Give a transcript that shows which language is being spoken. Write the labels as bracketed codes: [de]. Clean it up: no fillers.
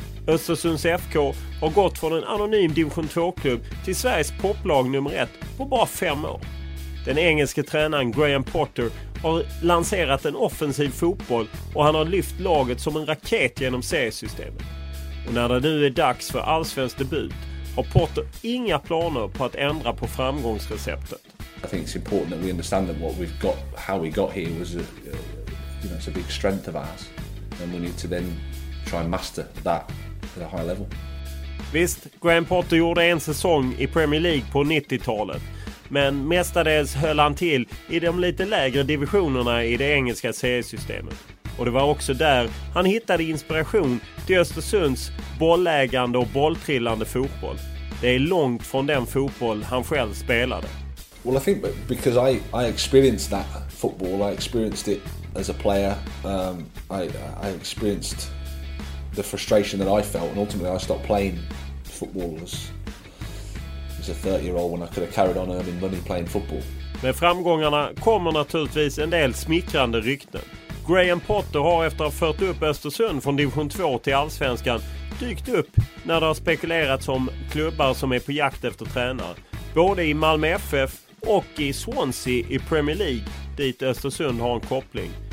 [sv] Östersunds FK har gått från en anonym Division 2-klubb till Sveriges poplag nummer 1 på bara 5 år. Den engelske tränaren Graham Potter har lanserat en offensiv fotboll och han har lyft laget som en raket genom seriesystemet. Och när det nu är dags för allsvensk debut har Potter inga planer på att ändra på framgångsreceptet. [en] I think it's important that we understand that what we've got, how we got here was a, you know, it's a big strength of ours, and we need to then try and master that. [sv] Visst, Graham Potter gjorde en säsong i Premier League på 90-talet, men mestadels höll han till i de lite lägre divisionerna i det engelska seriesystemet. Och det var också där han hittade inspiration till Östersunds bollägande och bolltrillande fotboll. Det är långt från den fotboll han själv spelade. [en] Well, I think because I experienced that football, I experienced it as a player. I experienced the frustration that I felt, and ultimately I stopped playing football as a 30-year-old when I could have carried on earning money playing football. [sv] Med framgångarna kommer naturligtvis en del smickrande rykten. Graham Potter har efter att ha fört upp Östersund från Division 2 till Allsvenskan dykt upp när det har spekulerats om klubbar som är på jakt efter tränare, både i Malmö FF och i Swansea i Premier League, dit Östersund har en koppling.